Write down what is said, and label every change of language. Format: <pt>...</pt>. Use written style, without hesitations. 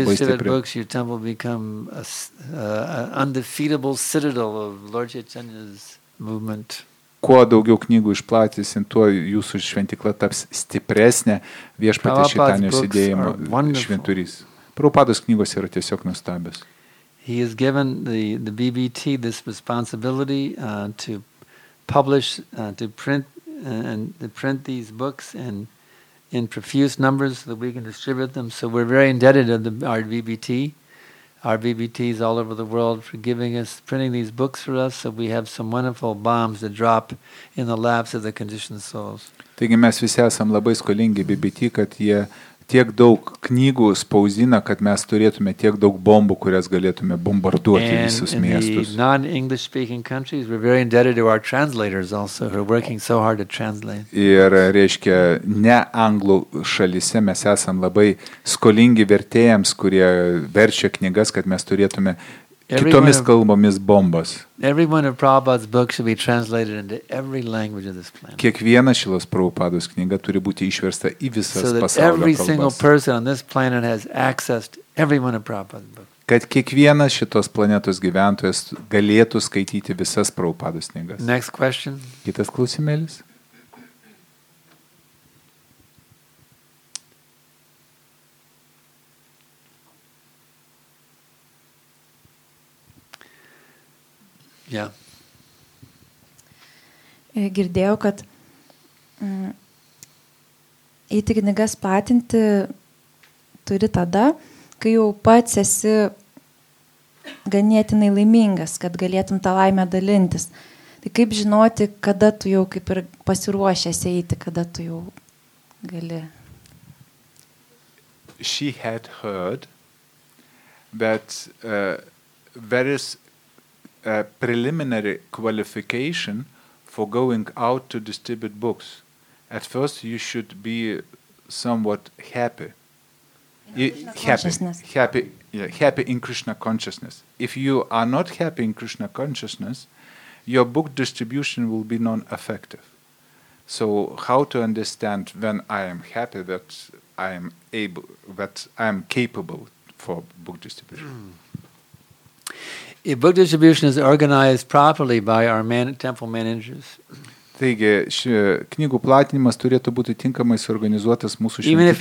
<en>The more you distribute books, your temple become an undefeatable citadel of Lord Chaitanya's movement.</en> <lt>Kuo daugiau knygų išplatysim, tuo jūsų šventykla taps stipresnė viešpatės Šaitanijos judėjimo šventurys. Prabhupados knygos yra tiesiog nuostabios.</lt> <en>He has given the BBT this responsibility to publish to print and to print these books in profuse numbers so that we can distribute them. So we're very indebted to our BBT. Our BBTs all over the world for giving us printing these books for us so we have some wonderful bombs to drop in the laps of the conditioned souls.</en> <lt>Taigi mes visi esam labai skolingi BBT, kad jie tiek daug knygų spausdina, kad mes turėtume tiek daug bombų, kurias galėtume bombarduoti visus miestus.</lt> <en>And in non-English speaking countries, we're very indebted to our translators also, who are working so hard to translate.</en> <lt>Ir reiškia, ne anglų šalyse mes esam labai skolingi vertėjams, kurie verčia knygas, kad mes turėtume kitomis kalbomis bombas.</lt> <en>Every one of Prabhupada's books should be translated into every language of this planet.</en> <lt>Kiekviena Šilos Prabhupados knyga turi būti išversta į visas pasaulio kalbas.</lt> <en>So that every single person on this planet has access to every one of Prabhupada's books.</en> <lt>Kad kiekvienas šitos planetos gyventojas galėtų skaityti visas Prabhupados knygas.</lt> <en>Next question.</en> <lt>Kitas klausimėlis.</lt> <en>Yeah.</en> <lt>Girdėjau, kad eiti knygas platinti turi tada, kai jau pats esi ganėtinai laimingas, kad galėtum tą laimę dalintis. Tai kaip žinoti, kada tu jau kaip ir pasiruošęs eiti, kada tu jau gali.</lt> <en>She had heard that there is a preliminary qualification for going out to distribute books. At first you should be somewhat happy. Happy in Krishna consciousness. If you are not happy in Krishna consciousness, your book distribution will be non-effective. So how to understand when I am happy that I am able, that I am capable for book distribution? If book distribution is organized properly by our temple managers,</en> <lt>taigi, ši knygų platinimas turėtų būti tinkamai suorganizuotas mūsų šventyklos</lt>